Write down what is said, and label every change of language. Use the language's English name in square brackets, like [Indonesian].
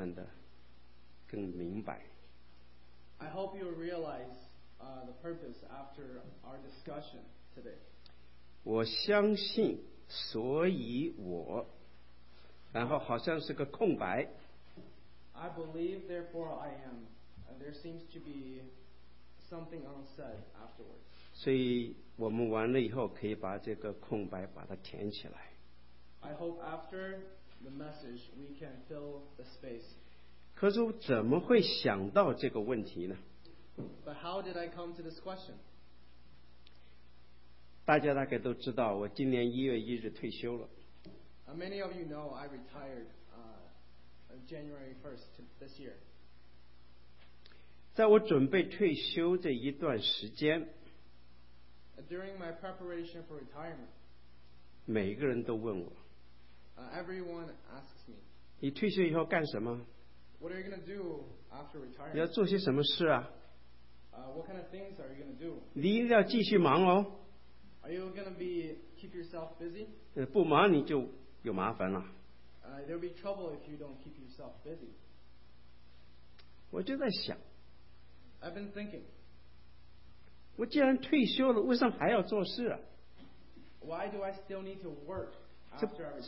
[Chinese] 可以等一下，希望借助我们在这里的讨论，这个为什么用这个题目，会慢慢的更明白。 [English] I hope you'll realize the purpose after our discussion today. [Chinese] 我相信，所以我，然后好像是个空白。 [English] I believe, therefore I am. There seems to be something unsaid afterwards. [Chinese] 所以我们完了以后，可以把这个空白把它填起来。 [English] I hope after the message we can fill the space. [Chinese] 可是我怎么会想到这个问题呢？ [English] But how did I come to this question? [Chinese] 大家大概都知道，我今年1月1日退休了。 [English] Many of you know I retired January 1st this year. [Chinese] 在我准备退休这一段时间， [English] During my preparation for retirement, [Chinese] 每个人都问我， [English] Everyone asks me, [Chinese] 你退休以后干什么？ [English] What are you going to do after retirement? [Chinese] 你要做些什么事啊？ [English] What kind of things are you going to do? [Chinese] 你一定要继续忙哦。 [English] Are you going to be keep yourself busy? [Chinese] 不忙你就有麻烦了。 [English] There'll be trouble if you don't keep yourself busy. [Chinese] 我就在想， [English] I've been thinking, [Chinese] 我既然退休了，为什么还要做事啊？ [English] Why do I still need to work after I retire?